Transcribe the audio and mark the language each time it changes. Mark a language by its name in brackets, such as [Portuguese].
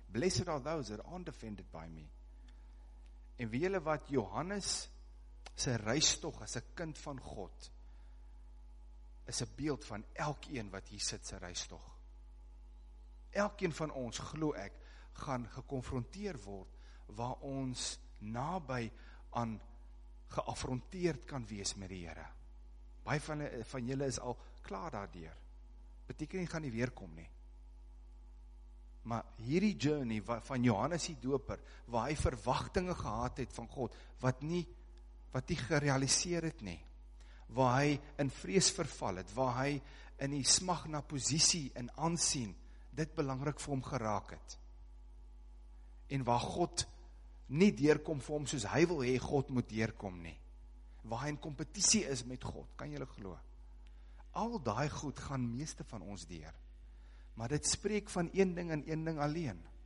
[English] Blessed are those that aren't offended by me. [Afrikaans] En weet julle wat, Johannes sy reistog as 'n kind van God is 'n beeld van elkeen wat hier sit sy reistog. Elkeen van ons, glo ek, gaan gekonfronteer word waar ons naby aan geafronteerd kan wees met die Here. Baie van julle is al klaar daardeur. Beteken nie gaan nie weer kom nie. Maar hierdie journey van Johannes die Doper, waar hy verwagtinge gehad het van God, wat nie gerealiseer het nie, waar hy in vrees verval het, waar hy in die smag na posisie en aansien dit belangrik vir hom geraak het. En waar God nie deurkom vir hom soos hy wil hê God moet deurkom nie. Waar hy in kompetisie is met God, kan julle glo. Al daai goed gaan meeste van ons deur. Maar dit spreek van een ding en een ding alleen.